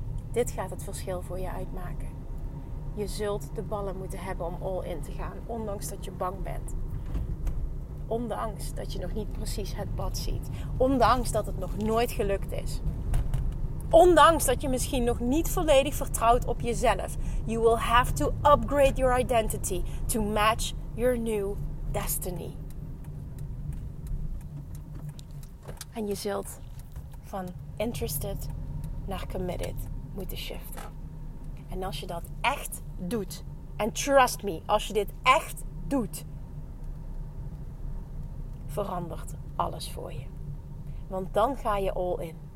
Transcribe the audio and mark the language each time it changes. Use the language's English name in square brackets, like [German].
[Dutch] Dit gaat het verschil voor je uitmaken. Je zult de ballen moeten hebben om all in te gaan. Ondanks dat je bang bent. Ondanks dat je nog niet precies het pad ziet. Ondanks dat het nog nooit gelukt is. Ondanks dat je misschien nog niet volledig vertrouwt op jezelf. [English] You will have to upgrade your identity to match your new destiny. [Dutch] En je zult van interested naar committed moeten shiften. En als je dat echt doet. En [English] trust me, [Dutch] als je dit echt doet. Verandert alles voor je. Want dan ga je all in.